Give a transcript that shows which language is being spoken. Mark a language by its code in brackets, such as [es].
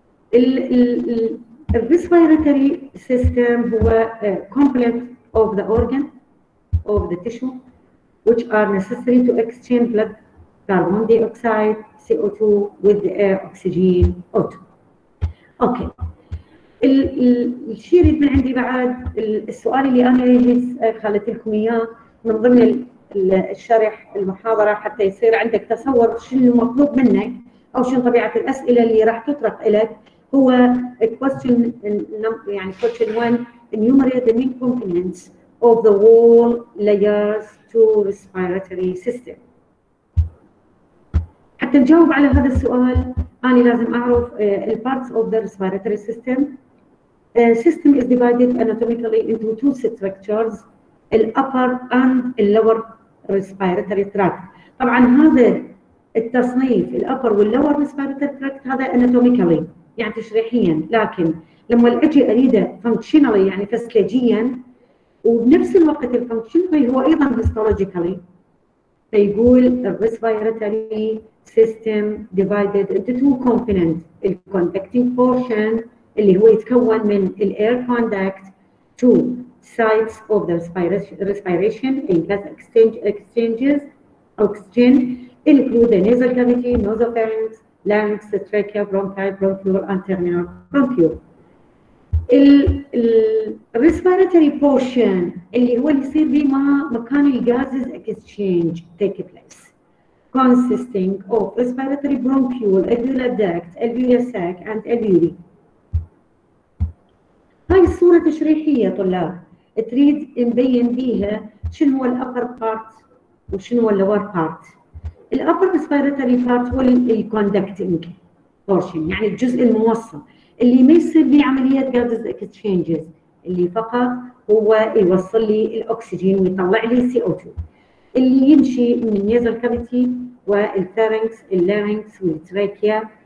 [en] The respiratory system is a complex of the organ, of the tissue, which are necessary to exchange blood, carbon dioxide, CO2 with the air, oxygen, O2. Okay. [ar] الشيء اللي من عندي بعد السؤال اللي انا خليت لكم اياه من ضمن الشرح المحاضره حتى يصير عندك تصور شنو المطلوب منك او شنو طبيعه الاسئله اللي راح تطرق لك هو question يعني [en] question 1 enumerate the main components of the wall layers to respiratory system. [ar] حتى نجاوب على هذا السؤال انا لازم اعرف [en] parts of the respiratory system. The system is divided anatomically into two structures, the upper and the lower respiratory tract. [ar] طبعا هذا التصنيف [en] the upper and lower respiratory tract [ar] هذا anatomically يعني تشريحيا، لكن لما اجي اريده functionally يعني فسلاجيا وبنفس الوقت functionally هو ايضا histologically [en] فيقول respiratory system divided into two components, the conducting portion [ar] اللي هو يتكون من [en] الـ air conduct to sites of the respiration and gas exchanges, oxygen, include the nasal cavity, nasopharynx, larynx, trachea, bronchi, bronchial, and terminal bronchial. الـ respiratory portion [ar] اللي هو اللي يصير بما مكان [en] الـ gases exchange take place, consisting of respiratory bronchial, alveolar duct, alveolar sac, and alveoli. [ar] هاي الصورة تشريحية طلاب تريد نبين بيها شنو هو الأبر بارت وشنو هو اللور بارت. الأبر respiratory بارت هو الكوندكتنج بورشن يعني الجزء الموصل اللي ما يصير لي عملية جازز اكسشينجز اللي فقط هو يوصل لي الأكسجين ويطلع لي CO2 اللي يمشي من النيزل كافيتي والثارنكس اللارنكس والتراكيا.